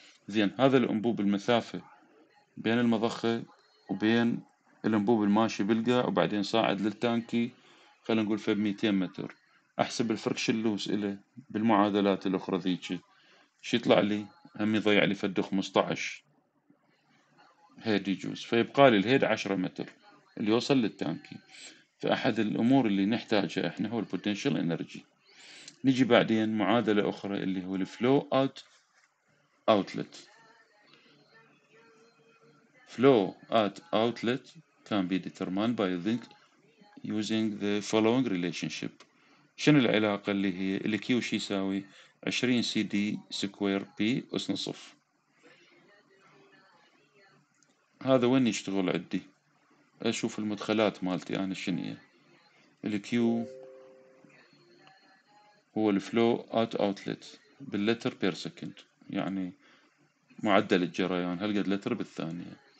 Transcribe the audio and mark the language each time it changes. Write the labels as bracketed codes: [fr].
[ar] زين هذا الأنبوب المسافة بين المضخة وبين الأنبوب الماشي بالقاع وبعدين صاعد للتانكي خلينا نقول فب 200 متر، أحسب الفركشن لوس إله بالمعادلات الأخرى ذيك شي يطلع لي هم يضيع لي فد 15 هيد يجوز، فيبقى لي الهيد 10 متر اللي يوصل للتانكي. فأحد الأمور اللي نحتاجها إحنا هو البوتنشال إنرجي. نجي بعدين معادلة أخرى اللي هو الفلو أوت أوتلت. [en] Flow at outlet can be determined by using the following relationship. [ar] شنو العلاقة اللي هي اللي كيو شي يساوي 20 سي دي سكوير بي أس نصف. هذا وين يشتغل عندي؟ أشوف المدخلات مالتي أنا شنية. الكيو هو الفلو at outlet باللتر بير سكند، يعني معدل الجريان هلقد لتر بالثانية.